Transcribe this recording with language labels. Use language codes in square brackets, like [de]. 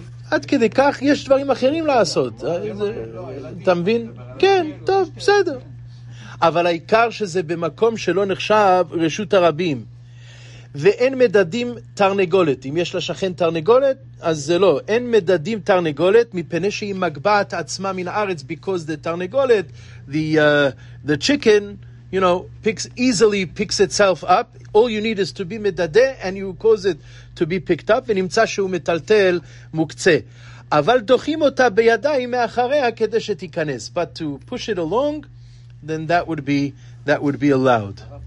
[he] עד כדי כך יש דברים אחרים לעשות. אתה מבין? כן, טוב, בסדר. אבל העיקר שזה במקום שלא נחשב רשות הרבים. ואין מדדים תרנגולת. אם יש לשכן תרנגולת, אז זה לא. אין מדדים תרנגולת, מפני שהיא מגבעת עצמה מן הארץ, [en] because the תרנגולת, the chicken, you know, easily picks itself up. [he] All you need is to be מדדה, and you cause it to be picked up, ונמצא שהוא מטלטל מוקצה. אבל דוחים אותה בידיים מאחריה כדי שתיכנס. [en] But to push it along, then that would be allowed.